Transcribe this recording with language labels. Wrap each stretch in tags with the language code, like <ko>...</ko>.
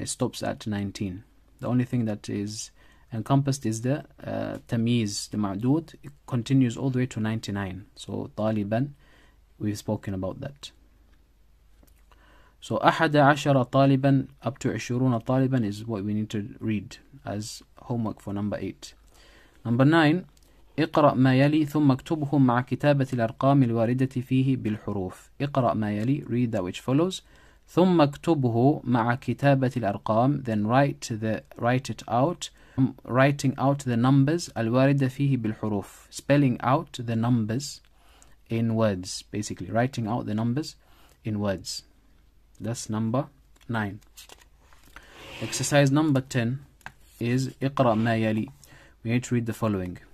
<en>It stops at 19. The only thing that is encompassed is the tamiz, the ma'dud. It continues all the way to 99. So taliban, we've spoken about that. So ahada ashara taliban, up to ishroona taliban is what we need to read as homework for number 8. Number 9,</en> <ar>اقرأ ما يلي ثم اكتبه مع كتابة الأرقام الواردة فيه بالحروف. اقرأ ما يلي,</ar> <en>read that which follows.</en> <ar>ثم اكتبه مع كتابة الأرقام,</ar> <en>then write it out. Writing out the numbers</en> <ar>الواردة فيه بالحروف.</ar> <en>Spelling out the numbers in words, basically. Writing out the numbers in words. That's number 9. Exercise number 10 is</en> <ar>اقرأ ما يلي.</ar> <en>We need to read the following.</en>